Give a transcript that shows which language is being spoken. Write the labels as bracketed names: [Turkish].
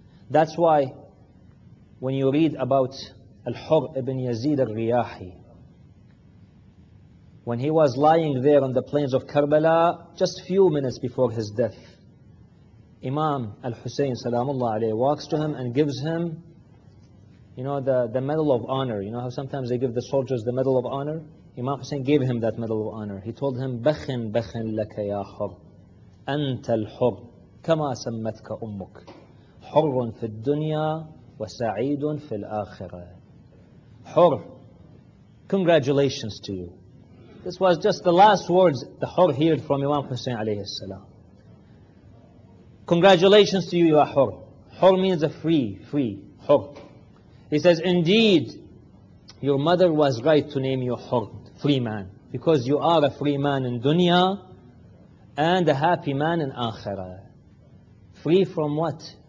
[English] That's why when you read about Al-Hur ibn Yazid al-Riyahi, when he was lying there on the plains of Karbala, just few minutes before his death, Imam Al-Husayn, salamullah alayhi, walks to him and gives him, you know, the Medal of Honor. You know how sometimes they give the soldiers the Medal of Honor? Imam Hussein gave him that Medal of Honor. He told him, [Arabic] بَخِنْ بَخِنْ لَكَ يَا حُرْ أَنْتَ الْحُرْ كَمَا سَمَّتْكَ أُمُّكَ حُرٌ فِي الدُّنْيَا وَسَعِيدٌ فِي الْآخِرَةِ. [English] حُرْ, congratulations to you. This was just the last words the Hur heard from Imam Hussein alayhi salam. Congratulations to you, you are Hur. Hur means a free, Hur. He says, indeed, your mother was right to name you Hur, free man, because you are a free man in dunya and a happy man in akhirah. Free from what?